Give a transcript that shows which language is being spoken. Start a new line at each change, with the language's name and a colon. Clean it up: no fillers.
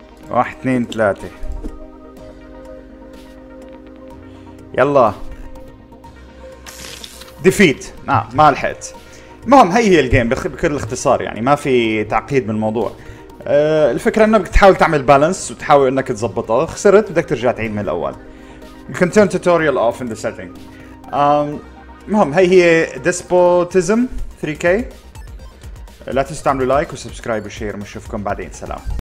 Arabic: واحد اثنين ثلاثة يلا ديفيت. ما لحقت. المهم هي الجيم بكل اختصار، يعني ما في تعقيد من الموضوع. الفكرة انه بدك تحاول تعمل بالانس وتحاول انك تزبطها. خسرت بدك ترجع تعيد من الاول.
English: Continue tutorial off in the setting.
Arabic: المهم هي هي Despotism 3K. لا تنسوا تعملوا لايك وسبسكرايب وشير. مشوفكم بعدين. سلام.